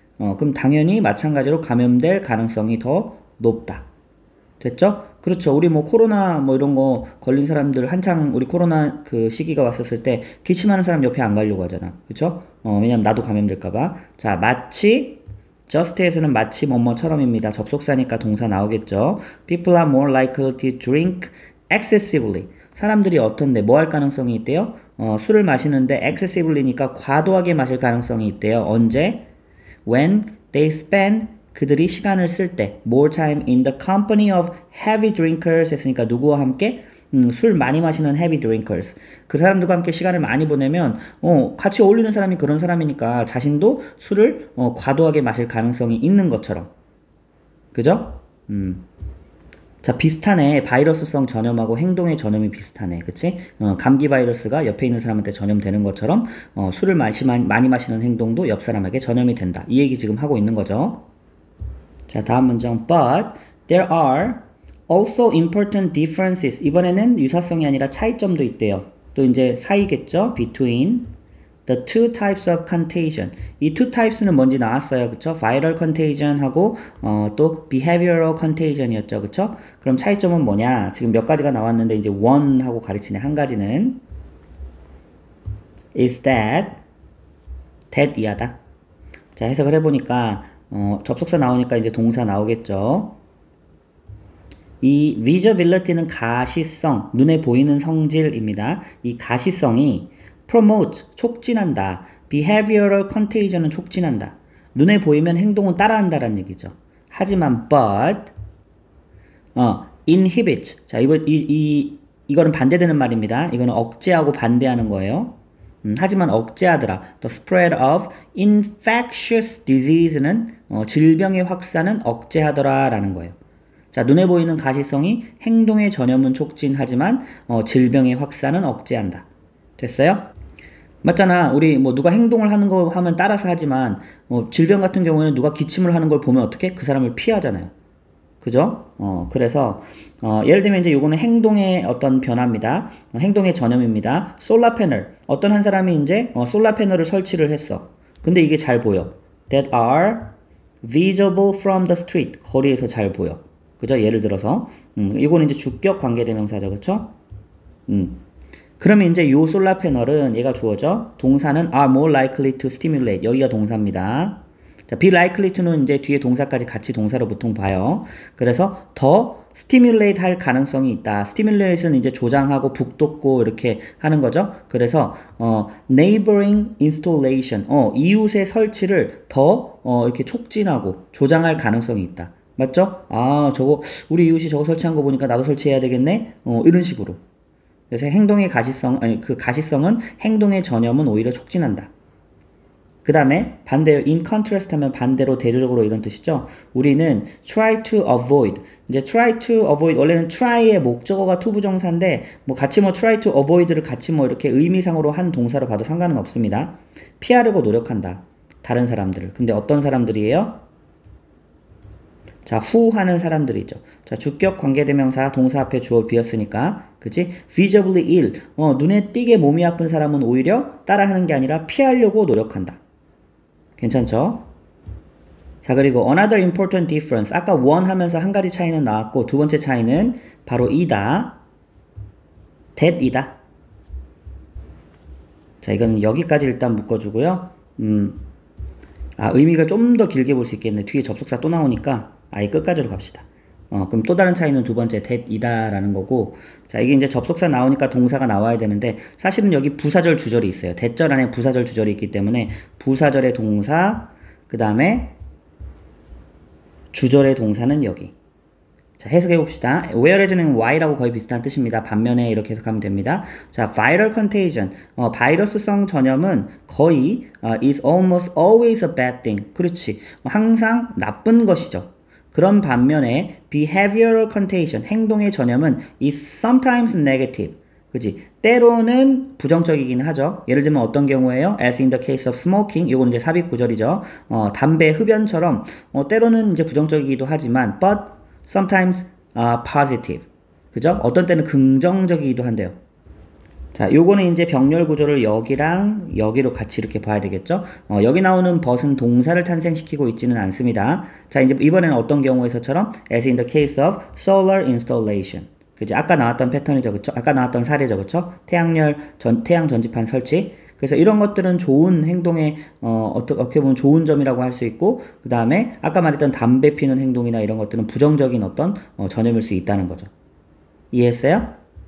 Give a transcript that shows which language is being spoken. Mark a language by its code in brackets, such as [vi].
[ko] 그럼 당연히 마찬가지로 감염될 가능성이 더 높다. 됐죠? 그렇죠. 우리 뭐 코로나 뭐 이런 거 걸린 사람들 한창 우리 코로나 그 시기가 왔었을 때 기침하는 사람 옆에 안 가려고 하잖아. 그렇죠? 왜냐면 나도 감염될까 봐. 자, 마치 just에서는 마치 뭐뭐처럼입니다. 접속사니까 동사 나오겠죠. [en] People are more likely to drink excessively. [ko] 사람들이 어떤데 뭐할 가능성이 있대요? 술을 마시는데 excessively니까 과도하게 마실 가능성이 있대요. 언제? [en] When they spend [ko] 그들이 시간을 쓸 때, [en] more time in the company of heavy drinkers [ko] 했으니까 누구와 함께? 술 많이 마시는 heavy drinkers. 그 사람들과 함께 시간을 많이 보내면, 같이 어울리는 사람이 그런 사람이니까 자신도 술을 과도하게 마실 가능성이 있는 것처럼. 그죠? 자, 비슷하네. 바이러스성 전염하고 행동의 전염이 비슷하네. 그치? 감기 바이러스가 옆에 있는 사람한테 전염되는 것처럼, 술을 많이 마시는 행동도 옆 사람에게 전염이 된다. 이 얘기 지금 하고 있는 거죠. 자, 다음 문장. [en] But there are also important differences. [ko] 이번에는 유사성이 아니라 차이점도 있대요. 또 이제 사이겠죠? [en] Between the two types of contagion. [ko] 이 two types는 뭔지 나왔어요. 그쵸? Viral contagion 하고, 또 behavioral contagion이었죠. 그쵸? 그럼 차이점은 뭐냐? 지금 몇 가지가 나왔는데, 이제 one 하고 가르치네. 한 가지는. [en] Is that? That [ko] 이하다. 자, 해석을 해보니까. 접속사 나오니까 이제 동사 나오겠죠. 이 visibility는 가시성, 눈에 보이는 성질입니다. 이 가시성이 promote, 촉진한다. behavioral contagion은 촉진한다. 눈에 보이면 행동은 따라한다라는 얘기죠. 하지만 [en] but inhibit. [ko] 자, 이거는 반대되는 말입니다. 이거는 억제하고 반대하는 거예요. 하지만 억제하더라. [en] The spread of infectious disease [ko] 는 질병의 확산은 억제하더라라는 거예요. 자, 눈에 보이는 가시성이 행동의 전염은 촉진하지만 질병의 확산은 억제한다. 됐어요? 맞잖아. 우리 뭐 누가 행동을 하는 거 하면 따라서 하지만 질병 같은 경우에는 누가 기침을 하는 걸 보면 어떻게? 그 사람을 피하잖아요. 그죠? 그래서 예를 들면 이제 요거는 행동의 어떤 변화입니다. 행동의 전염입니다. 솔라 패널. 어떤 한 사람이 이제 솔라 패널을 설치를 했어. 근데 이게 잘 보여. [en] That are visible from the street. [ko] 거리에서 잘 보여. 그죠? 예를 들어서. 요거는 이제 주격 관계대명사죠. 그쵸? 그러면 이제 요 솔라 패널은 얘가 주어죠. 동사는 [en] are more likely to stimulate. [ko] 여기가 동사입니다. 자, be likely to는 이제 뒤에 동사까지 같이 동사로 보통 봐요. 그래서 더 stimulate 할 가능성이 있다. stimulate은 이제 조장하고 북돋고 이렇게 하는 거죠. 그래서, neighboring installation, 이웃의 설치를 더, 이렇게 촉진하고 조장할 가능성이 있다. 맞죠? 아, 저거, 우리 이웃이 저거 설치한 거 보니까 나도 설치해야 되겠네? 이런 식으로. 그래서 행동의 가시성, 아니, 그 가시성은 행동의 전염은 오히려 촉진한다. 그 다음에, 반대로, [en] in contrast [ko] 하면 반대로 대조적으로 이런 뜻이죠? 우리는 [en] try to avoid. [ko] 이제 try to avoid, 원래는 try의 목적어가 to 부정사인데, 뭐 같이 뭐 try to avoid를 같이 뭐 이렇게 의미상으로 한 동사로 봐도 상관은 없습니다. 피하려고 노력한다. 다른 사람들을. 근데 어떤 사람들이에요? 자, who 하는 사람들이죠. 자, 주격 관계대명사 동사 앞에 주어 비었으니까, 그치? [en] visibly ill. [ko] 눈에 띄게 몸이 아픈 사람은 오히려 따라하는 게 아니라 피하려고 노력한다. 괜찮죠? 자, 그리고 [en] another important difference. [ko] 아까 one 하면서 한 가지 차이는 나왔고, 두 번째 차이는 바로 이다. that이다. 자, 이건 여기까지 일단 묶어주고요. 의미가 좀더 길게 볼수 있겠네. 뒤에 접속사 또 나오니까. 아예 끝까지로 갑시다. 그럼 또 다른 차이는 두 번째, that이다라는 거고. 자, 이게 이제 접속사 나오니까 동사가 나와야 되는데, 사실은 여기 부사절 주절이 있어요. that절 안에 부사절 주절이 있기 때문에, 부사절의 동사, 그 다음에, 주절의 동사는 여기. 자, 해석해 봅시다. where에서는 why라고 거의 비슷한 뜻입니다. 반면에 이렇게 해석하면 됩니다. [en] 자, viral contagion. [ko] 바이러스성 전염은 거의, [en] is almost always a bad thing. [ko] 그렇지. 항상 나쁜 것이죠. 그런 반면에 behavioral contagion 행동의 전염은 [en] is sometimes negative. [ko] 그지? 때로는 부정적이긴 하죠. 예를 들면 어떤 경우에요? [en] As in the case of smoking, [ko] 이건 이제 삽입 구절이죠. 담배 흡연처럼 때로는 이제 부정적이기도 하지만 [en] but sometimes positive. [ko] 그죠? 어떤 때는 긍정적이기도 한대요. 자, 요거는 이제 병렬 구조를 여기랑 여기로 같이 이렇게 봐야 되겠죠? 여기 나오는 but은 동사를 탄생시키고 있지는 않습니다. 자, 이제 이번에는 어떤 경우에서처럼 [en] as in the case of solar installation. [ko] 그죠? 아까 나왔던 패턴이죠, 그쵸? 아까 나왔던 사례죠, 그쵸? 태양 전지판 설치. 그래서 이런 것들은 좋은 행동의 어떻게 보면 좋은 점이라고 할수 있고, 그 다음에 아까 말했던 담배 피우는 행동이나 이런 것들은 부정적인 어떤 전염일 수 있다는 거죠. 이해했어요?